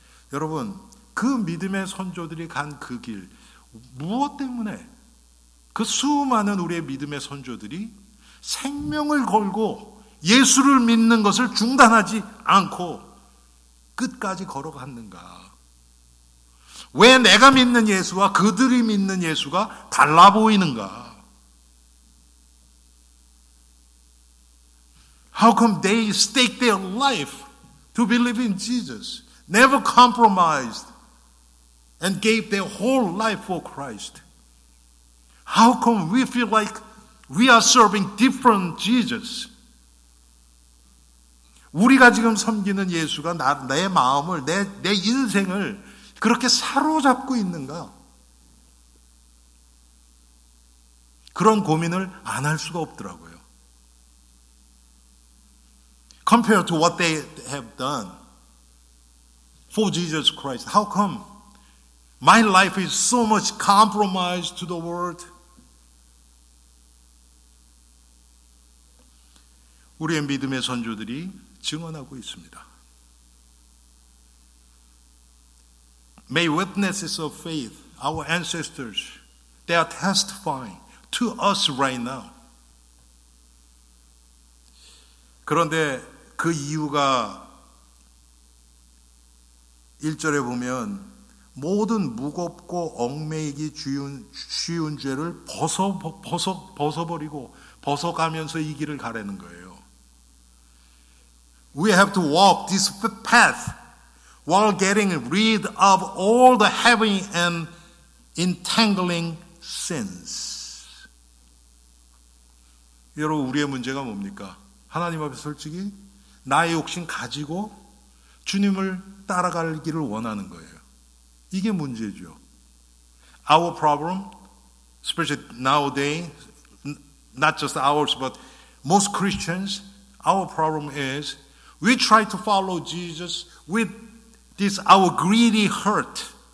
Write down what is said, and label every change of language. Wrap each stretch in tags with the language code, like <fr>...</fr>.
<ko>여러분, 그 믿음의 선조들이 간 그 길 무엇 때문에 그 수많은 우리의 믿음의 선조들이 생명을 걸고 예수를 믿는 것을 중단하지 않고 끝까지 걸어갔는가? 왜 내가 믿는 예수와 그들이 믿는 예수가 달라 보이는가?</ko> <en>How come they stake their life to believe in Jesus? Never compromised. And gave their whole life for Christ. How come we feel like we are serving different Jesus?</en> <ko>우리가 지금 섬기는 예수가 내 마음을, 내 인생을 그렇게 사로잡고 있는가? 그런 고민을 안 할 수가 없더라고요.</ko> <en>Compared to what they have done for Jesus Christ, how come My life is so much compromised to the world.</en> <ko>우리의 믿음의 선조들이 증언하고 있습니다.</ko> <en>May witnesses of faith, our ancestors, they are testifying to us right now.</en> <ko>그런데 그 이유가 1절에 보면 모든 무겁고 얽매이기 쉬운 죄를 벗어버리고 벗어가면서 이 길을 가라는 거예요.</ko> <en>We have to walk this path while getting rid of all the heavy and entangling sins.</en> <ko>여러분 우리의 문제가 뭡니까? 하나님 앞에 솔직히 나의 욕심 가지고 주님을 따라가기를 원하는 거예요. 이게 문제죠.</ko> <en>Our problem, especially nowadays, not just ours, but most Christians, our problem is we try to follow Jesus with this our greedy heart.</en>